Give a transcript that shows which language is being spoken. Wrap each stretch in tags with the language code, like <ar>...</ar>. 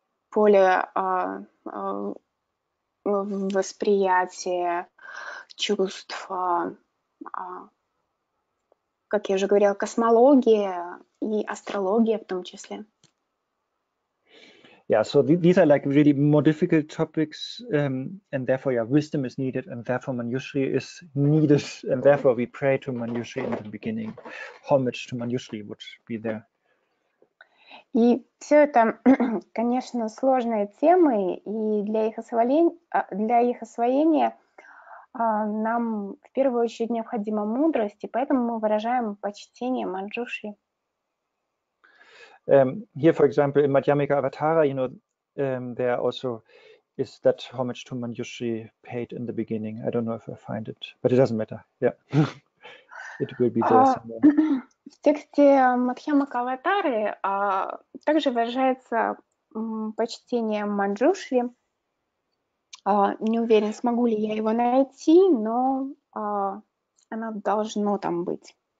<ru>поля восприятия, чувств, как я уже говорила, космология и астрология в том числе.</ru> <en>Yeah, so these are like really more difficult topics, and therefore, yeah, wisdom is needed, and therefore Manjushri is needed, and therefore we pray to Manjushri in the beginning. Homage to Manjushri would be there.</en> <ru>И все это, конечно, сложные темы, и для их освоения нам в первую очередь необходима мудрость, и поэтому мы выражаем почтение Манджуши.</ru> <en>Here, for example, in Madhyamika Avatara, you know, there also is that homage to Manjushri paid in the beginning. I don't know if I find it, but it doesn't matter. Yeah, it will be there somewhere.</en> <ru>В тексте Мадхьямака Аватары также выражается почтение Манджушри. Не уверен, смогу ли я его найти, но оно должно там быть.</ru>